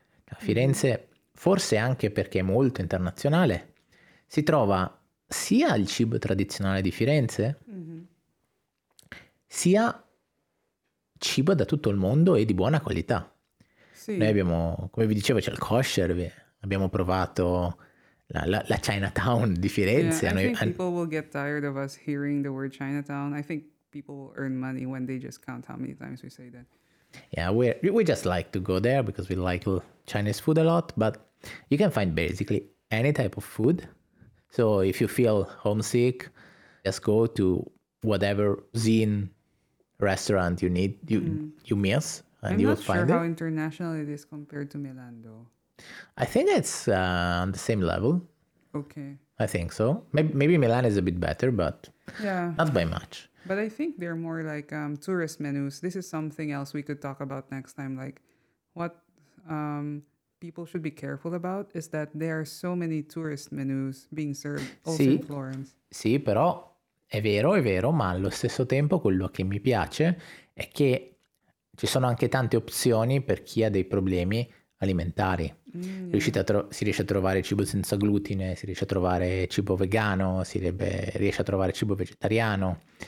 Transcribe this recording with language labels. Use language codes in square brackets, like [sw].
[it] A Firenze, forse anche perché è molto internazionale, si trova sia il cibo tradizionale di Firenze, sia cibo da tutto il mondo e di buona qualità. Sì. Noi abbiamo, come vi dicevo, c'è il kosher, abbiamo provato la Chinatown di Firenze. [en] Yeah, people will get tired of us hearing the word Chinatown. I think people earn money when they just count how many times we say that. Yeah, we just like to go there because we like Chinese food a lot, but you can find basically any type of food. So if you feel homesick, just go to whatever zine restaurant you need, you miss, and I'm you will find it. I'm not sure how international it is compared to Milan, though. I think it's on the same level. Okay. I think so. Maybe Milan is a bit better, but yeah, not by much. But I think they're more like tourist menus. This is something else we could talk about next time. Like, what people should be careful about is that there are so many tourist menus being served also in Florence. [it] Sì, però È vero, ma allo stesso tempo quello che mi piace è che ci sono anche tante opzioni per chi ha dei problemi alimentari. Si riesce a trovare cibo senza glutine, si riesce a trovare cibo vegano, riesce a trovare cibo vegetariano.